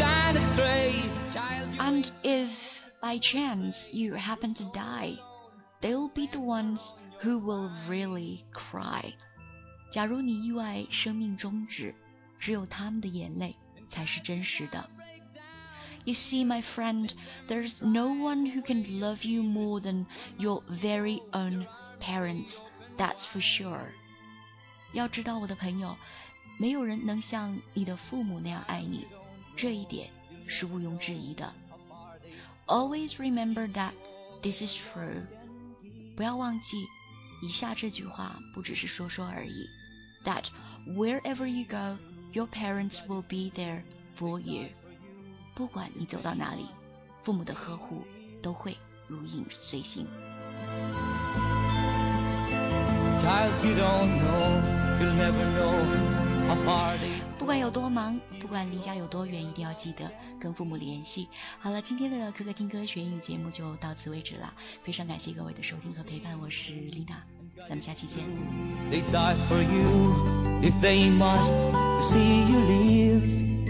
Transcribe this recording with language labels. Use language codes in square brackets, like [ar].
[en] And if by chance you happen to die, they'll be the ones who will really cry. [zh] 假如你意外生命终止，只有他们的眼泪才是真实的。 [en] You see, my friend, there's no one who can love you more than your very own parents, that's for sure. [zh] 要知道我的朋友，没有人能像你的父母那样爱你，这一点是毋庸置疑的。 [en] Always remember that this is true. [zh] 不要忘记，以下这句话不只是说说而已。 [en] That wherever you go, your parents will be there for you. [zh] 不管你走到哪里，父母的呵护都会如影随形。 [en] Child, you don't know, you'll never know how far they... [zh] 不管有多忙，不管离家有多远，一定要记得跟父母联系。好了，今天的可可听歌学英语节目就到此为止了，非常感谢各位的收听和陪伴，我是 Lina， 咱们下期见。 [en] They die for you if they must to see you live.